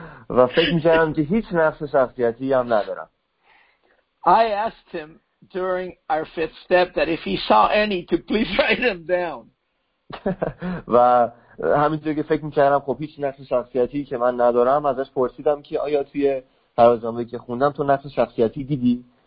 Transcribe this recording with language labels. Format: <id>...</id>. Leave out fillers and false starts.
<fa>و فکر می‌کردم که هیچ نقص شخصیتی هم ندارم.</fa> <en>I asked him during our fifth step that if he saw any to please write them down.</en> <fa>و همینطور که فکر می‌کردم خب هیچ نقص شخصیتی که من ندارم ازش پرسیدم که آیا توی ترازنامه‌ای که خوندم تو نقص شخصیتی دیدی؟</fa>